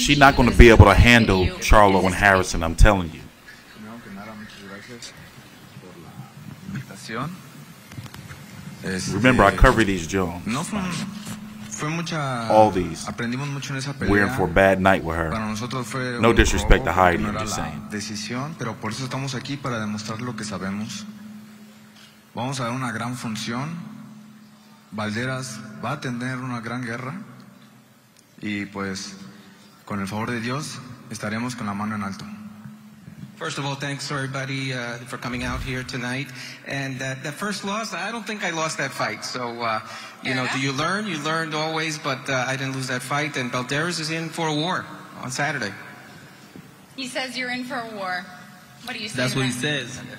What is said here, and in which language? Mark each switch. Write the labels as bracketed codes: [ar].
[en] She's not going to be able to handle Charlo and Harrison, I'm telling you. Remember, I cover these Jones. All these. We're in for a bad night with her. No disrespect to Heidi, I'm just saying. [es] Decisión, pero por eso estamos aquí, para demostrar lo que sabemos. Vamos a ver una gran función. Valderas va a tener una gran guerra. Y pues, con el favor de Dios, estaremos con la mano en alto. [en] First of all, thanks to everybody for coming out here tonight. And that first loss, I don't think I lost that fight. So, do you learn? You learned always, but I didn't lose that fight. And Valderas is in for a war on Saturday. He says you're in for a war. What do you say? That's what he says.